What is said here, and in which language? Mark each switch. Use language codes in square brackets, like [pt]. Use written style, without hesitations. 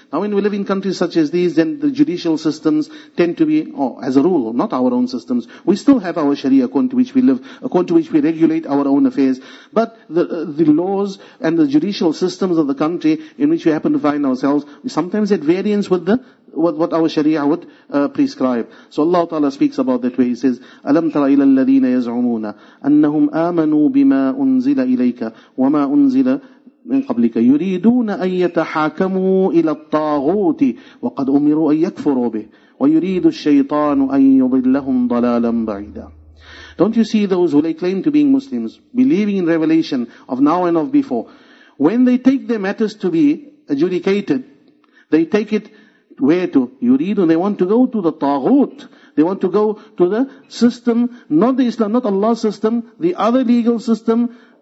[en] Now when we live in countries such as these, then the judicial systems tend to be, as a rule, not our own systems. We still have our Sharia according to which we live, according to which we regulate our own affairs. But the laws and the judicial systems of the country in which we happen to find ourselves, sometimes at variance with the what our Sharia would prescribe. So Allah Ta'ala speaks about that way. He says, [ar] أَلَمْ تَرَ إِلَى الَّذِينَ يَزْعُمُونَ أَنَّهُمْ آمَنُوا بِمَا أُنزِلَ إِلَيْكَ وَمَا أُنزِلَ مِنْ قَبْلِكَ يُرِيدُونَ أَن يَتَحَاكَمُوا إِلَى الطَّاغُوتِ وَقَدْ أُمِرُوا أَن يَكْفُرُوا بِهِ وَيُرِيدُ الشَّيْطَانُ أَن يُضِلَّهُمْ ضَلَالًا بَعِيدًا. [en] Don't you see those who lay claim to being Muslims, believing in revelation of now and of before, when they take their matters to be adjudicated, they take it where to? Yuridu, they want to go to the taghut. They want to go to the system, not the Islam, not Allah's system, the other legal system.